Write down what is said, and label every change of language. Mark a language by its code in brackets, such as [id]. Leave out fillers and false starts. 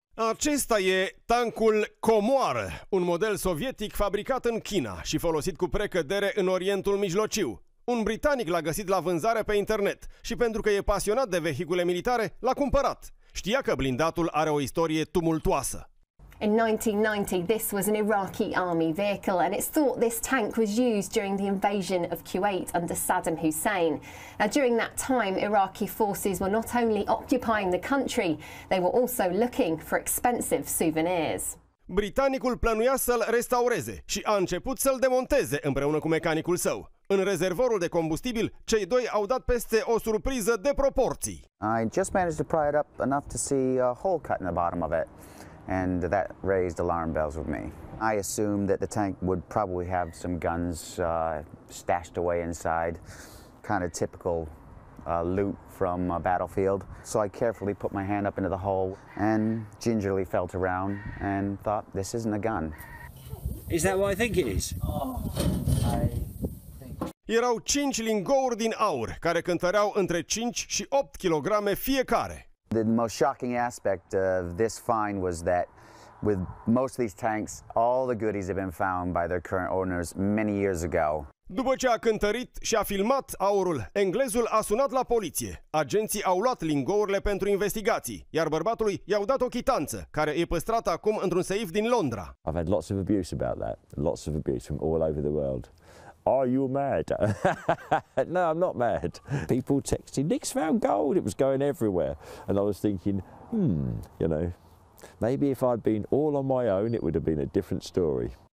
[ro] Acesta e tancul Comoară, un model sovietic fabricat în China și folosit cu precădere în Orientul Mijlociu. Un britanic l-a găsit la vânzare pe internet și pentru că e pasionat de vehicule militare, l-a cumpărat. Știa că blindatul are o istorie tumultoasă. [en] In 1990, this was an Iraqi army vehicle, and it's thought this tank was used during the invasion of Kuwait under Saddam Hussein. Now, during that time, Iraqi forces were not only occupying the country, they were also looking for expensive souvenirs. [ro] Britanicul plănuia să-l restaureze și a început să-l demonteze împreună cu mecanicul său. În rezervorul de combustibil, cei doi au dat peste o surpriză de proporții. [en] I just managed to pry it up enough to see a hole cut in the bottom of it. And that raised alarm bells with me. I assumed that the tank would probably have some guns stashed away inside, kind of typical loot from a battlefield. So I carefully put my hand up into the hole and gingerly felt around and thought, this isn't a gun. Is that what I think it is? [ro] Erau 5 lingouri din aur, care cântăreau între 5 și 8 kilograme fiecare. [en] The most shocking aspect of this find was that with most of these tanks, all the goodies have been found by their current owners many years ago. [ro] După ce a cântărit și a filmat aurul, englezul a sunat la poliție. Agenții au luat lingourile pentru investigații, iar bărbatului i-au dat o chitanță, care e păstrată acum într-un safe din Londra. [en] I've had lots of abuse about that. Lots of abuse from all over the world. Are you mad? No, I'm not mad. People texting, Nick's found gold. It was going everywhere. And I was thinking, you know, maybe if I'd been all on my own, it would have been a different story.